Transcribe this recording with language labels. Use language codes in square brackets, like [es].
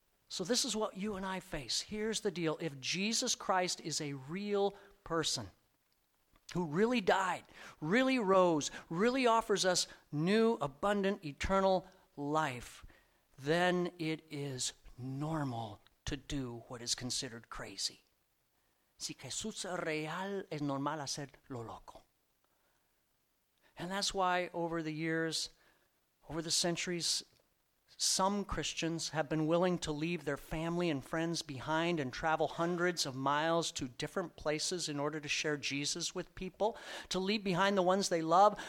[en] So this is what you and I face. Here's the deal. If Jesus Christ is a real person who really died, really rose, really offers us new, abundant, eternal life, then it is normal to do what is considered crazy. [es] Si Jesús es real, es normal hacer lo loco. [en] And that's why over the years, over the centuries, some Christians have been willing to leave their family and friends behind and travel hundreds of miles to different places in order to share Jesus with people, to leave behind the ones they love.